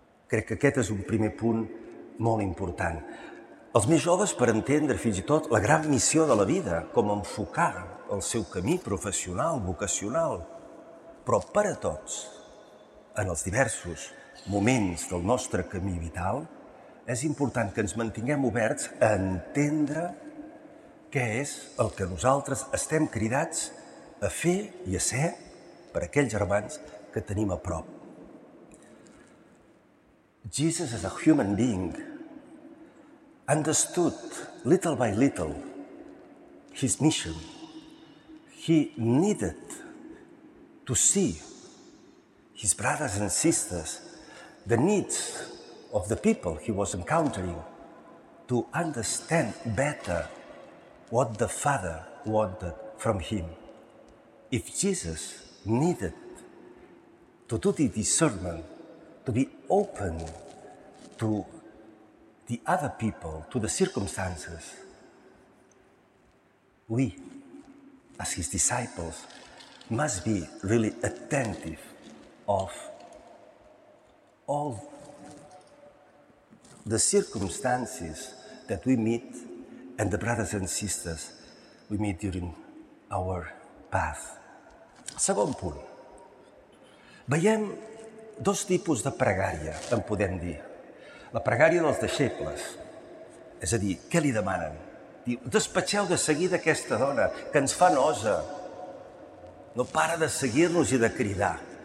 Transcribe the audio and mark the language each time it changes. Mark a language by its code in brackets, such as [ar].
[ca] Crec que aquest és un primer punt molt important. Els més joves, per entendre fins i tot la gran missió de la vida, com enfocar el seu camí professional, vocacional, però per a tots, en els diversos moments del nostre camí vital, és important que ens mantinguem oberts a entendre què és el que nosaltres estem cridats a fer i a ser per aquells germans que tenim a prop. [en] Jesus, as a human being, understood little by little his mission. He needed to see his brothers and sisters, the needs of the people he was encountering, to understand better what the Father wanted from him. If Jesus needed to do the discernment, to be open to the other people, to the circumstances, we, as his disciples, must be really attentive of all the circumstances that we meet and the brothers and sisters we meet during our path. [ca] Segon punt. Veiem dos tipus de pregària, en podem dir. La pregària dels deixebles, és a dir, què li demanen? Diu, despatxeu de seguida aquesta dona que ens fa nosa. No para de seguir-nos i de cridar.